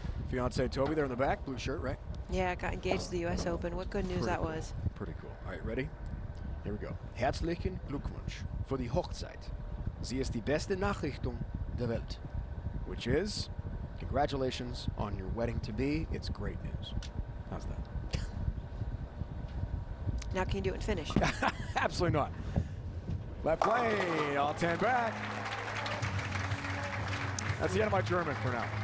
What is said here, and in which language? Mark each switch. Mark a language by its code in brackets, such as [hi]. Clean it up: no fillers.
[en] Fiance Toby there in the back, blue shirt, right? Yeah, got engaged to the U.S. Open. What good news pretty that cool. was. Pretty cool. All right, ready? Here we go. [de] Herzlichen Glückwunsch für die Hochzeit. Sie ist die beste Nachrichtung der Welt. [en] Which is, congratulations on your wedding to be. It's great news. How's that? Now can you do it in Finnish? Absolutely not. Left lane, all 10 back. That's the end of my German for now.